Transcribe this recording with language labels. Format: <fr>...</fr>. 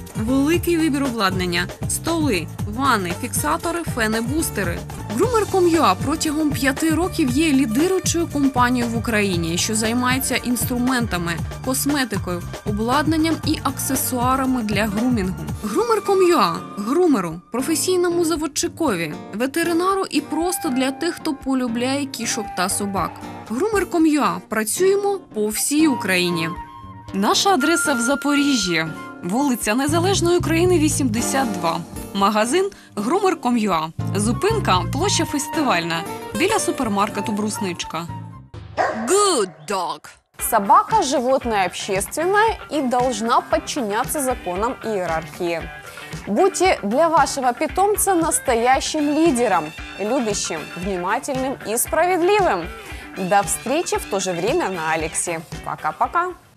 <uk>Великий вибір обладнання – столи, вани, фіксатори, фени-бустери. Groomer.com.ua протягом 5 років є лідируючою компанією в Україні, що займається інструментами, косметикою, обладнанням і аксесуарами для грумінгу. Groomer.com.ua – грумеру, професійному заводчикові, ветеринару і просто для тих, хто полюбляє кішок та собак. Groomer.com.ua – працюємо по всій Україні. Наша адреса в Запоріжжі. Вулиця Незалежної України, 82. Магазин «Groomer.com.ua». Зупинка – площа Фестивальна. Біля супермаркету «Брусничка». Gooddog.</uk> <ru>Собака – животное общественное и должна подчиняться законам иерархии. Будьте для вашего питомца настоящим лидером, любящим, внимательным и справедливым. До встречи в то же время на Алексе. Пока-пока.</ru>